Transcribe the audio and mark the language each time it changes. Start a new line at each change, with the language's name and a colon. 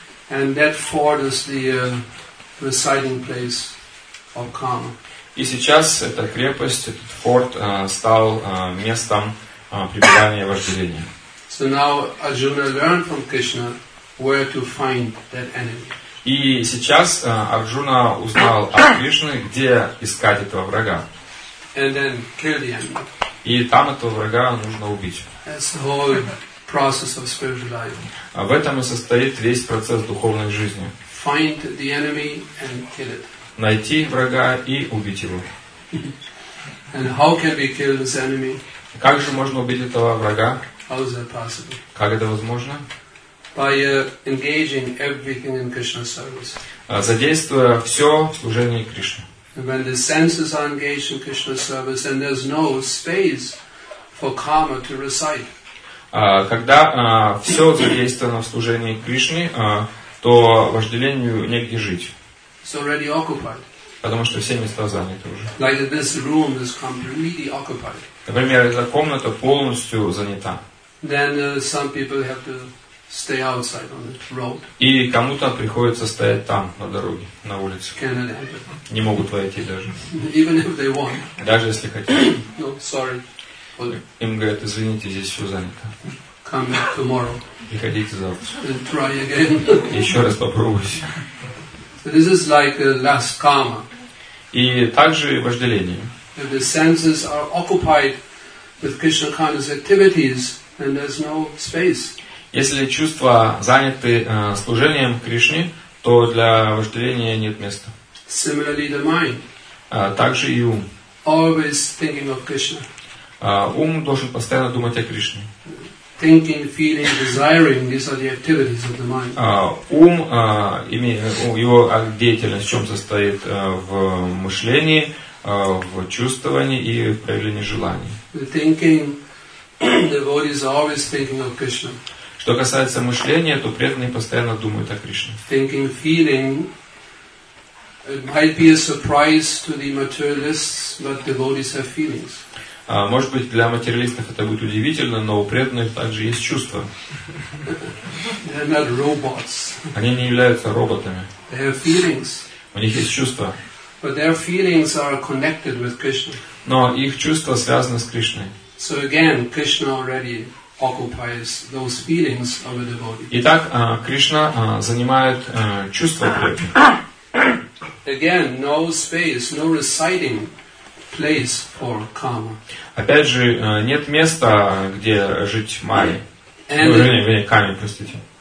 English: And that fort is the residing place of karma.
Russian: И сейчас эта крепость, этот форт стал местом пребывания вожделения.
English: So now Arjuna learned from Krishna where to find that enemy.
Russian: И сейчас Арджуна узнал от Кришны, где искать этого врага.
English: And then kill the enemy.
Russian: И там этого врага нужно убить.
English: That's the whole process of spiritual life.
Russian: В этом и состоит весь процесс духовной жизни.
English: Find the enemy and kill it.
Russian: Найти врага и убить его.
English: And how can we kill this enemy?
Russian: Как же можно убить этого врага?
English: How is that possible?
Russian: Как это возможно?
English: By engaging everything in Krishna's service.
Russian: Задействуя все в служении Кришне.
English: When the senses are engaged in Krishna's service, then there's no space for karma to reside.
Russian: Когда все задействовано в служении Кришне, то вожделению негде жить.
English: It's already occupied.
Russian: Потому что все места заняты уже.
English: Like this room is completely occupied.
Russian: Например, эта комната полностью занята.
English: Then some people have to stay outside on the road.
Russian: И кому-то приходится стоять там, на дороге, на улице.
English: Cannot happen.
Russian: Не могут войти даже.
English: Even if they want.
Russian: Даже если хотят.
English: No, sorry.
Russian: Им говорят, извините, здесь все занято.
English: Come back tomorrow.
Russian: Приходите завтра.
English: And try again.
Russian: Еще раз попробуйте.
English: So this is like a last karma.
Russian: И также вожделение.
English: If the senses are occupied with Krishna conscious activities, then there's no space.
Russian: Если чувства заняты служением Кришне, то для вожделения нет места.
English: Similarly, the mind.
Russian: Также и ум.
English: Always thinking of Krishna.
Russian: Ум должен постоянно думать о Кришне.
English: Thinking, feeling, desiring, these are the activities of the mind.
Russian: Его деятельность в чем состоит? В мышлении, в чувствовании и в проявлении желаний.
English: Thinking, devotees are always thinking of Krishna.
Russian: Что касается мышления, то преданные постоянно думают о Кришне.
English: Thinking, feeling, it might be a surprise to the materialists, but devotees have feelings.
Russian: Может быть, для материалистов это будет удивительно, но у преданных также есть чувства.
English: They're not robots.
Russian: Они не являются роботами.
English: They have feelings.
Russian: У них есть чувства.
English: But their feelings are connected with Krishna.
Russian: Но их чувства связаны с Кришной.
English: So again, Krishna already occupies those feelings of a devotee.
Russian: Итак, Кришна занимает чувства преданных.
English: Again, no space, no residing place for karma.
Russian: Опять же, нет места, где жить майя. Ну, вернее, каме, простите.